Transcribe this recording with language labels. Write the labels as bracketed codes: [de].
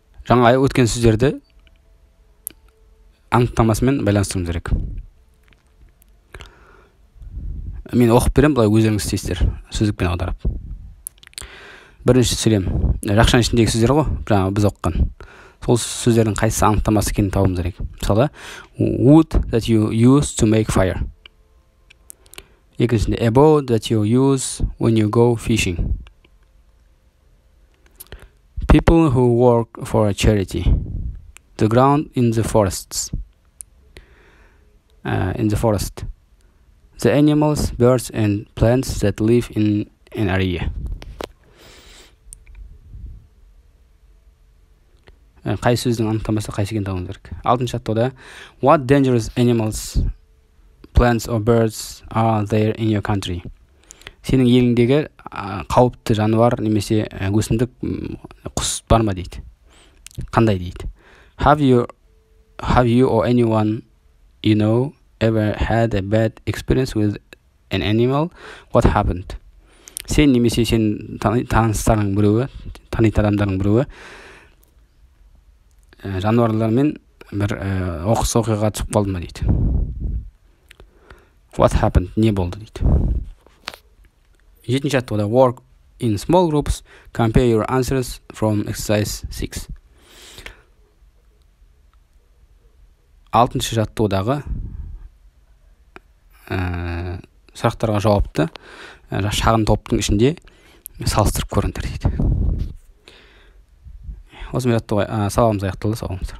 [kk] Жаңа өткен сөздерді анықтамасымен байланыстыруымыз керек. Мен оқып берем, бұлай өздеріңіз істейсіздер сөздікпен аударып. Бірінші сөйлем. Жақшаның ішіндегі сөздер ғой, жаңа біз оқыған. Сол сөздердің қайсы анықтамасы екенін табуымыз керек. Мысалы, [en] wood that you use to make fire. Екіншісінде, a bow that you use when you go fishing. People who work for a charity. The ground in the forests. In the forest. The animals, birds and plants that live in an area. [kk] Қай сөздің анықтамасы қайсы екенін табуымыз керек. Алтыншы аттауда, [en] what dangerous animals, plants or birds are there in your country? [kk] Сенің еліңдегі қауіпті жануар немесе өсімдік құс бар ма дейді? Қандай дейді? [en] Have you or anyone you know ever had a bad experience with an animal? What happened? [kk] Сен немесе сен таныстарың біреуі, танитын адамдарың біреуі жануарлармен бір оқыс оқиға түсіп қалды ма дейді. [en] What happened? [kk] Не болды дейді. Жетінші аттауда [en] work in small groups. Compare your answers from exercise 6. [kk] Алтыншы жаттығыдағы сұрақтарға жауапты шағын топтың ішінде салыстырып көріңдер дейді. Осы мен жаттығы салауымыз аяқталды, салауымыз.